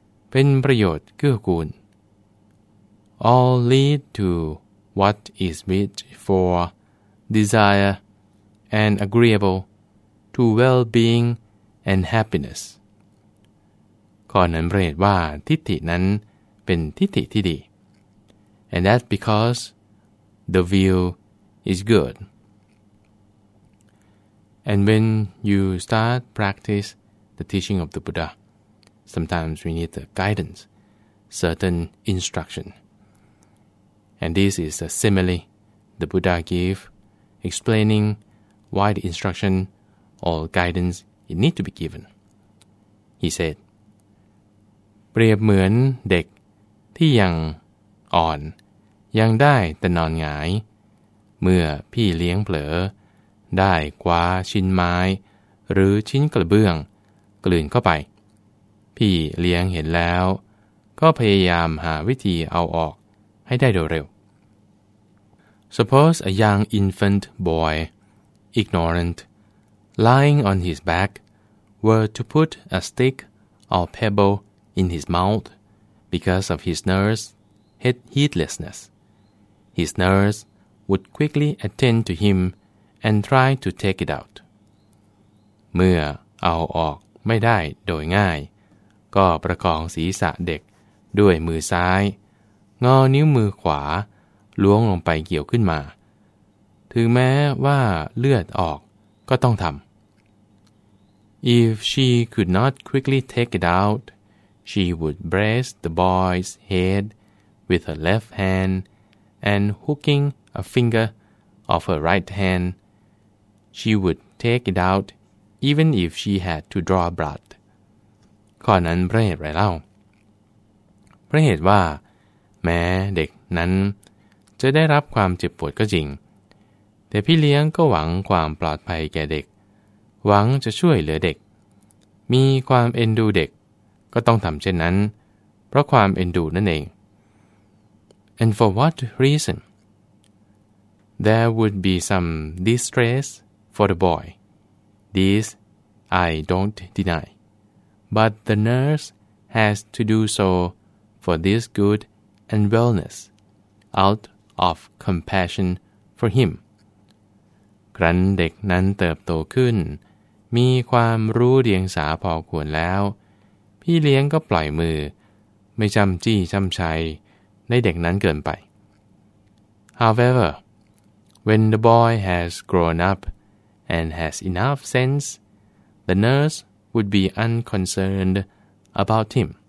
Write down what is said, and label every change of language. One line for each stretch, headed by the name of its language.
Thai: เป็นประโยชน์เกื้อกูล
English: All lead to what is wished for, desire, and agreeable to well-being and happiness.
Thai: ข้อนั้นเรียกว่าทิฏฐินั้นเป็นทิฏฐิที่ดี
English: And that's because the view is good. And when you start practice the teaching of the Buddha, sometimes we need the guidance, certain instruction.And this is a simile the Buddha gave, explaining why the instruction or guidance it need to be given. He said,
Thai: เปรียบเหมือนเด็กที่ยังอ่อนยังได้แต่นอนหงายเมื่อพี่เลี้ยงเผลอได้คว้าชิ้นไม้หรือชิ้นกระเบื้องกลืนเข้าไป พี่เลี้ยงเห็นแล้วก็พยายามหาวิธีเอาออกให้ได้โดยเร็ว
English: Suppose a young infant boy, ignorant, lying on his back, were to put a stick or pebble in his mouth because of his nurse's heedlessness. His nurse would quickly attend to him and try to take it out.
Thai: เมื่อเอาออกไม่ได้โดยง่ายก็ประคองศีรษะเด็กด้วยมือซ้ายงอนิ้วมือขวาล้วงลงไปเกี่ยวขึ้นมา ถึงแม้ว่าเลือดออกก็ต้องทำ
English: If she could not quickly take it out, she would brace the boy's head with her left hand and hooking a finger of her right hand, she would take it out even if she had to draw blood.
Thai: ข้อนั้นเพราะเหตุไรเล่าเพราะเหตุว่าแม้เด็กนั้นจะได้รับความเจ็บปวดก็จริงแต่พี่เลี้ยงก็หวังความปลอดภัยแก่เด็กหวังจะช่วยเหลือเด็กมีความเอ็นดูเด็กก็ต้องทำเช่นนั้นเพราะความเอ็นดูนั่นเอง
English: And for what reason? There would be some distress for the boy. This I don't deny. But the nurse has to do so for this good and wellness out of compassion for him.
Thai: ครั้นเด็กนั้นเติบโตขึ้นมีความรู้เดียงสาพอควรแล้วพี่เลี้ยงก็ปล่อยมือไม่จำจี้จำชัยในเด็กนั้นเกินไป
English: However, when the boy has grown up and has enough sense, the nurse would be unconcerned about him.